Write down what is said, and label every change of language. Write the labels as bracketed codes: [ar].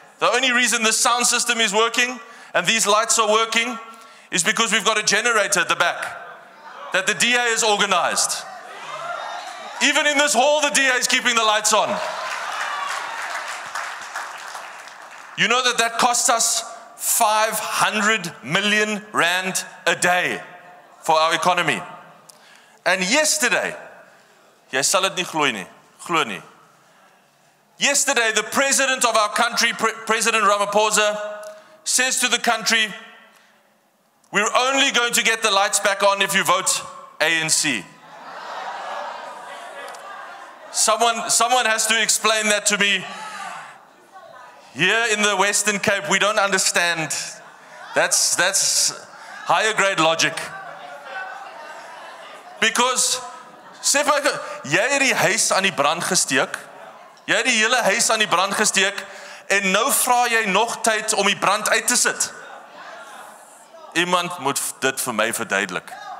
[en] The only reason the sound system is working and these lights are working is because we've got a generator at the back that the DA has organized. Even in this hall, the DA is keeping the lights on. You know that costs us 500 million rand a day for our economy. And yesterday, [af] jy sal dit nie glo nie. [en] Yesterday, the president of our country, President Ramaphosa, says to the country, we're only going to get the lights back on if you vote ANC. Someone has to explain that to me. Here in the Western Cape, we don't understand. That's higher grade logic. Because [af] sê vir jy het die huis aan die brand gesteek. Jy het die hele huis aan die brand gesteek en nou vra jy nog tyd om die brand uit te sit. Iemand moet dit vir my verduidelik.